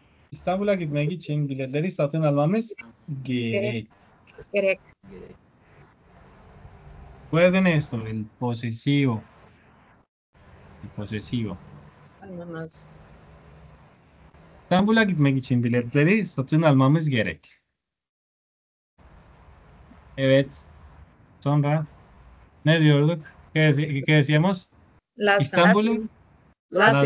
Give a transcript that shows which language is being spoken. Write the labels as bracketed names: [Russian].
[Turkish] İstanbul'a gitmek için biletleri satın almamız Gerek. gerek. Gerek. [Spanish] Recuerden esto, el posesivo. El posesivo. [Turkish] Alma mes. İstanbul'a gitmek için biletleri satın almamız gerek. Evet. Sonra ne diyorduk? [Spanish] ¿Qué decíamos? [Turkish] İstanbul'a Lazım. Lazım.